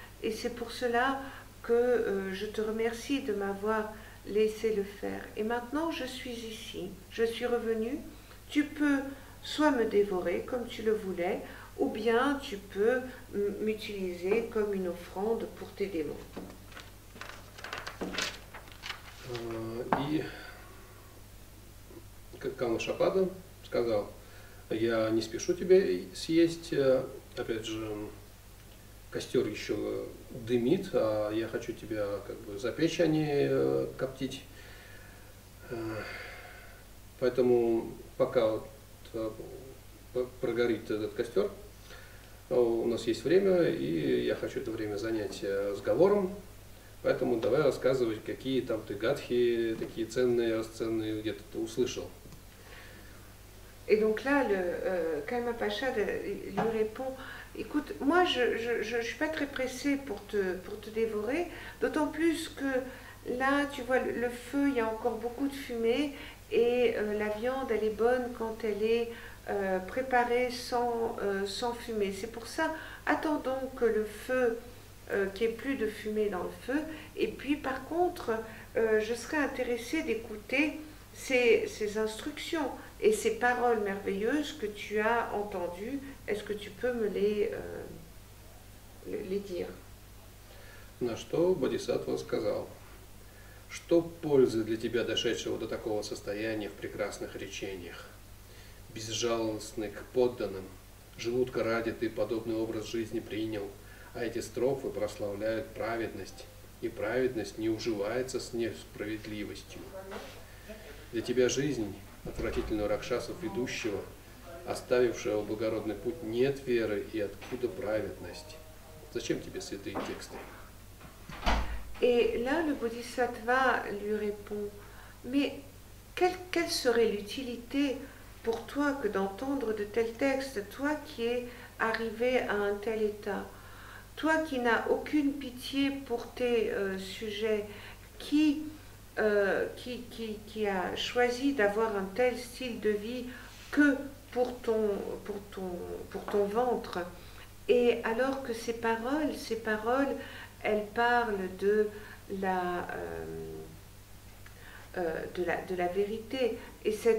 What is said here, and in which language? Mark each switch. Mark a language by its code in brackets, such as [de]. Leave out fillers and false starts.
[fr] Et c'est pour cela que je te remercie de m'avoir laissé le faire. Et maintenant, je suis ici, je suis revenu. Tu peux soit me dévorer comme tu le voulais, ou bien tu peux m'utiliser comme une offrande pour tes démons. [ru] И Калмашапада сказал, я не спешу тебя съесть, опять же, костер еще дымит, а я хочу тебя как бы запечь, а не коптить. Поэтому пока вот прогорит этот костер, у нас есть время, и я хочу это время занять разговором. Поэтому давай рассказывать, какие там ты гадхи такие ценные, расценные где-то ты услышал. [fr] Et donc là, le Kalmapacha lui répond, écoute, moi je suis pas très pressé pour te dévorer, d'autant plus que là, tu vois, le feu, il y a encore beaucoup de fumée et la viande, elle est bonne quand elle est préparée sans fumée. C'est pour ça, attends donc que le feu qu'il n'y ait plus de fumée dans le feu. Et puis, par contre, je serais intéressée d'écouter ces instructions et ces paroles merveilleuses que tu as entendues. Est-ce que tu peux me les dire? [ru] На что Бодхисаттва сказал, что пользы для тебя дошедшего до такого состояния в прекрасных речениях, безжалостны к подданным, желудка ради ты подобный образ жизни принял, а эти строфы прославляют праведность, и праведность не уживается с несправедливостью. Для тебя жизнь, отвратительную ракшасов ведущего, оставившего благородный путь, нет веры, и откуда праведность? Зачем тебе святые тексты? [fr] Et là, le bodhisattva lui répond, mais quelle serait l'utilité pour toi que d'entendre de tels textes, toi qui es arrivé à un tel état? Toi qui n'as aucune pitié pour tes sujets, qui a choisi d'avoir un tel style de vie que pour ton ventre, et alors que ces paroles, elles parlent de la vérité et